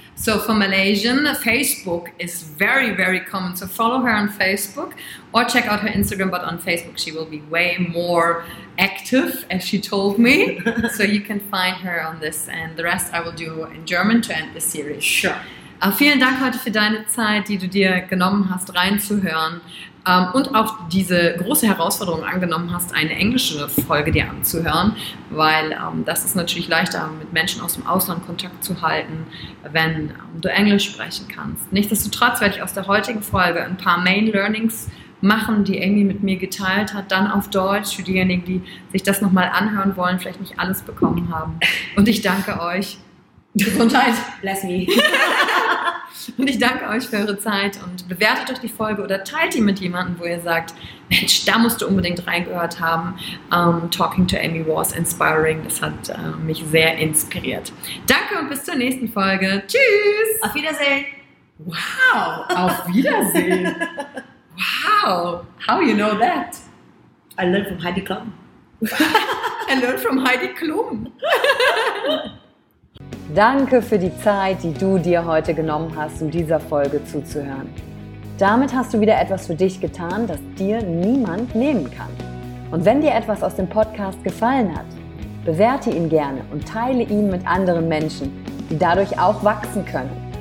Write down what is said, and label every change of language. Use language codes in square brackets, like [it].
[en] So for Malaysian, Facebook is very, very common. So follow her on Facebook or check out her Instagram. But on Facebook, she will be way more active, as she told me. So you can find her on this. And the rest I will do in German to end the series. Sure. [de] Vielen Dank heute für deine Zeit, die du dir genommen hast, reinzuhören. Und auch diese große Herausforderung angenommen hast, eine englische Folge dir anzuhören, weil das ist natürlich leichter, mit Menschen aus dem Ausland Kontakt zu halten, wenn du Englisch sprechen kannst. Nichtsdestotrotz werde ich aus der heutigen Folge ein paar Main Learnings machen, die Amy mit mir geteilt hat, dann auf Deutsch für diejenigen, die sich das nochmal anhören wollen, vielleicht nicht alles bekommen haben. Und ich danke euch. Gesundheit. [en] Bless me. [de] Und ich danke euch für eure Zeit und bewertet euch die Folge oder teilt die mit jemandem, wo ihr sagt, Mensch, da musst du unbedingt reingehört haben. [en] Talking to Amy was inspiring. [de] Das hat mich sehr inspiriert. Danke und bis zur nächsten Folge. Tschüss. Auf Wiedersehen. [en] Wow. [de] Auf Wiedersehen. [en] Wow. How you know that? I learned from Heidi Klum. I learned from Heidi Klum. [de] Danke für die Zeit, die du dir heute genommen hast, um dieser Folge zuzuhören. Damit hast du wieder etwas für dich getan, das dir niemand nehmen kann. Und wenn dir etwas aus dem Podcast gefallen hat, bewerte ihn gerne und teile ihn mit anderen Menschen, die dadurch auch wachsen können.